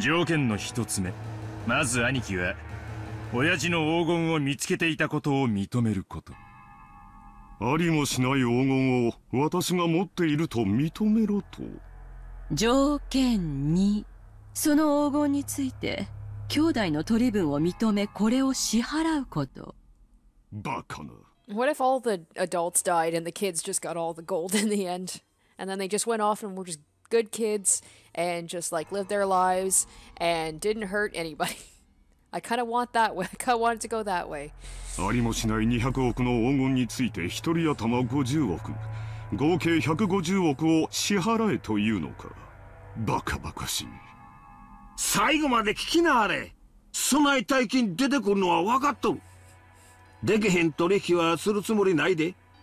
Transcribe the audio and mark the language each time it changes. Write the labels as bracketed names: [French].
[Japanese] 条件の一つ目、まず兄貴は親父の黄金を見つけていたことを認めること。ありもしない黄金を私が持っていると認めろと。条件2、その黄金について兄弟の取り分を認め、これを支払うこと。バカな。 [English] What if all the adults died and the kids just got all the gold in the end? And then they just went off and were just good kids and just like lived their lives and didn't hurt anybody. I kind of want that way. I kind of want it to go that way. [Japanese] ありもしない200億の黄金について一人頭50億、合計150億を支払えというのか。バカバカしい。最後まで聞きなあれ。備え大金出てくるのは分かっとる。でけへん取引はするつもりないで。